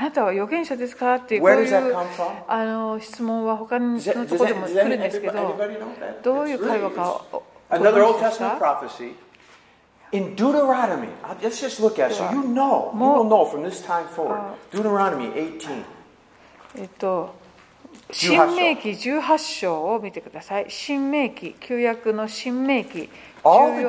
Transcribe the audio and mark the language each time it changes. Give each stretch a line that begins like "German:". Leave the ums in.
Japanese: なたは予言者ですかっいうあの質問は他のところでも来るんですけど、どういう会話か,か。
English: In Deuteronomy, let's just look at it. So you know, you will know from this time forward. Deuteronomy 18.
Japanese: 新明記18章を見てください。新明記、旧約の新明記章